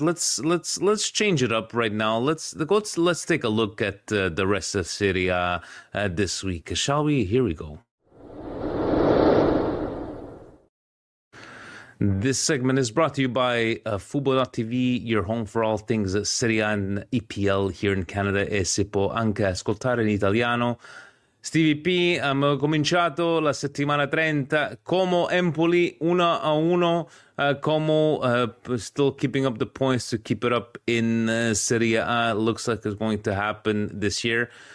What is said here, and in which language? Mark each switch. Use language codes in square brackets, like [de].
[en] Let's change it up right now. Let's take a look at the rest of Serie A this week, shall we? Here we go. This segment is brought to you by Fubo.tv, your home for all things Serie A and EPL here in Canada. [it] E si può anche ascoltare in italiano. [en] Stevie P, [it] abbiamo cominciato la settimana 30, [en] Como Empoli 1-1, Como still keeping up the points to keep it up in Serie A, looks like it's going to happen this year.